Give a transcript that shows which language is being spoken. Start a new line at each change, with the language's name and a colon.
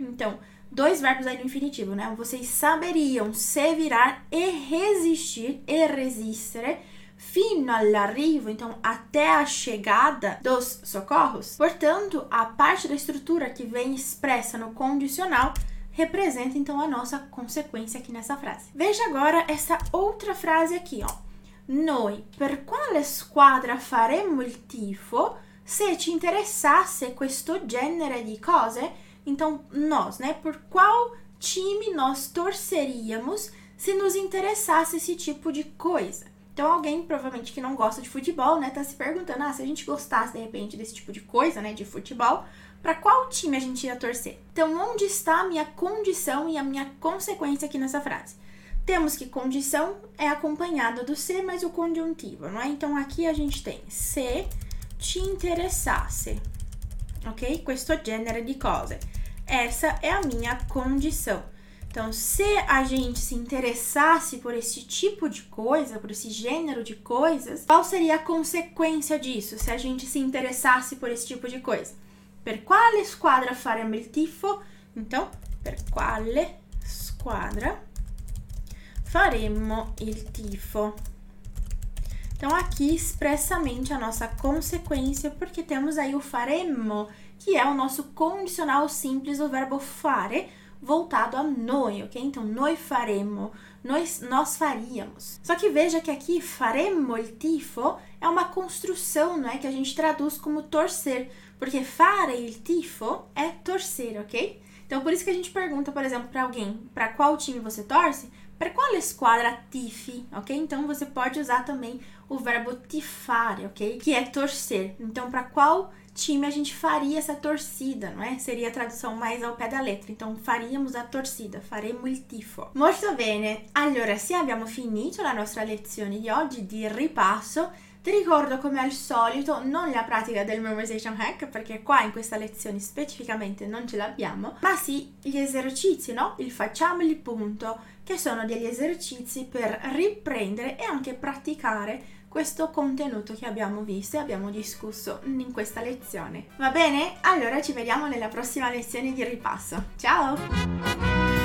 Portuguese: Então, dois verbos aí no infinitivo, né? Vocês saberiam se virar e resistir, e resistere, fino all'arrivo, então até a chegada dos socorros. Portanto, a parte da estrutura que vem expressa no condicional representa então a nossa consequência aqui nessa frase. Veja agora essa outra frase aqui, ó.
Italian: Noi, per quale squadra faremmo il tifo se ci interessasse questo genere di cose?
Portuguese: Então, nós, né? Por qual time nós torceríamos se nos interessasse esse tipo de coisa? Então, alguém provavelmente que não gosta de futebol, né, tá se perguntando: ah, se a gente gostasse de repente desse tipo de coisa, né, de futebol, para qual time a gente ia torcer? Então, onde está a minha condição e a minha consequência aqui nessa frase? Temos que condição é acompanhada do se mais o conjuntivo, não é? Então, aqui a gente tem
Italian: se ti interessasse,
Portuguese: ok?
Italian: Questo genere di cose.
Portuguese: Essa é a minha condição. Então, se a gente se interessasse por esse tipo de coisa, por esse gênero de coisas, qual seria a consequência disso, se a gente se interessasse por esse tipo de coisa?
Italian: Per quale squadra faremmo il tifo? Então, per quale squadra faremmo il tifo?
Portuguese: Então, aqui expressamente a nossa consequência, porque temos aí o faremmo, que é o nosso condicional simples do verbo fare, voltado a noi, ok? Então, noi faremmo, nós faríamos. Só que veja que aqui faremmo il tifo é uma construção, não é, que a gente traduz como torcer, porque
Italian: fare il tifo
Portuguese: é torcer, ok? Então, por isso que a gente pergunta, por exemplo, para alguém: para qual time você torce?
Italian: Per quale squadra tifi, ok?
Portuguese: Então, você pode usar também o verbo tifare, ok? Que é torcer. Então, para qual time a gente faria essa torcida, não é? Seria a tradução mais ao pé da letra. Então, faríamos a torcida,
Italian: faremo il tifo. Molto bene. Allora, se abbiamo finito la nostra lezione di oggi di ripasso, ti ricordo come al solito non la pratica del memorization hack, perché qua in questa lezione specificamente non ce l'abbiamo, ma sì gli esercizi, no? Il facciamoli punto, che sono degli esercizi per riprendere e anche praticare questo contenuto che abbiamo visto e abbiamo discusso in questa lezione. Va bene? Allora ci vediamo nella prossima lezione di ripasso. Ciao!